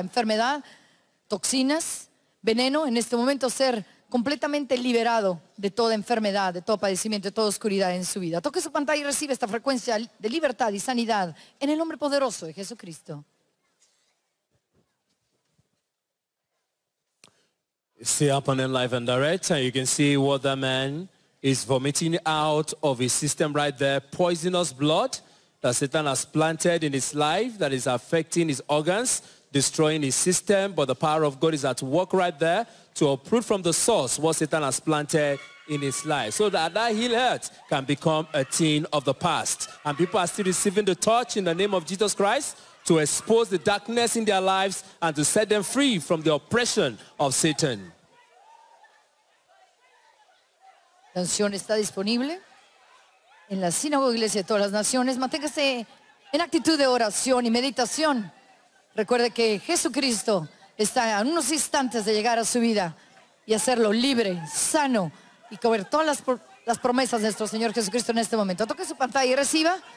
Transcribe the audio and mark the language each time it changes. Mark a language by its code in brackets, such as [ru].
[es] Enfermedad, toxinas, veneno, en este momento ser completamente liberado de toda enfermedad, de todo padecimiento, de toda oscuridad en su vida. Toque su pantalla y recibe esta frecuencia de libertad y sanidad en el nombre poderoso de Jesucristo. [en] Stay up on live and direct, and you can see what that man is vomiting out of his system right there. Poisonous blood that Satan has planted in his life that is affecting his organs, destroying his system. But the power of God is at work right there to uproot from the source what Satan has planted in his life, so that that healed heart can become a thing of the past. And people are still receiving the touch in the name of Jesus Christ to expose the darkness in their lives and to set them free from the oppression of Satan. [es] La unción está disponible en la sinagoga iglesia de todas las naciones. Manténgase en actitud de oración y meditación. Recuerde que Jesucristo está a unos instantes de llegar a su vida y hacerlo libre, sano y cobrir todas las promesas de nuestro Señor Jesucristo en este momento. Toque su pantalla y reciba.